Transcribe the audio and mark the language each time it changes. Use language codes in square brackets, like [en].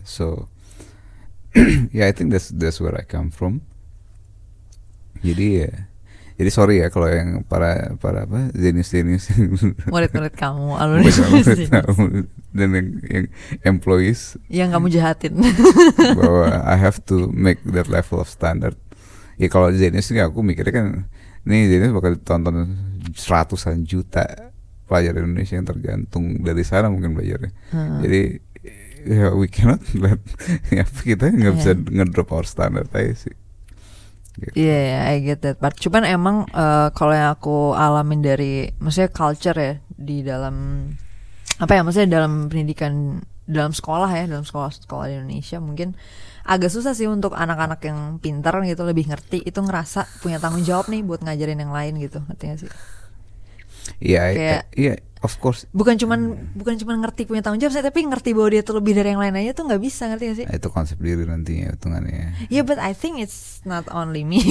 [en] So yeah, I think that's where I come from. [id] Jadi ya. Jadi sorry ya kalau yang para para apa jenius-jenius murid-murid kamu, alumni jenius-jenius dan yang employees yang kamu jahatin. [en] Bahwa I have to make that level of standard. [id] Ya kalau jenius ini aku mikirnya kan ini jenius bakal ditonton ratusan juta pelajar Indonesia yang tergantung dari sana mungkin belajarnya. Jadi yeah, [en] we cannot let [id] kita nggak bisa ngedrop [en] our standard [id] aja sih. Iya, gitu. Yeah, [en] I get that part. [id] Cuman emang kalau yang aku alamin dari, maksudnya culture ya di dalam apa ya, maksudnya dalam pendidikan dalam sekolah ya, dalam sekolah-sekolah di Indonesia mungkin agak susah sih untuk anak-anak yang pintar gitu lebih ngerti itu ngerasa punya tanggung jawab nih buat ngajarin yang lain gitu, ngerti gak sih? Iya, yeah, iya, yeah, [en] of course. [id] Bukan cuman ngerti punya tanggung jawab, tapi ngerti bahwa dia tuh lebih dari yang lain aja tuh nggak bisa, ngerti gak sih? Itu konsep diri nantinya, hitungannya. [en] Ya, yeah, but I think it's not only me.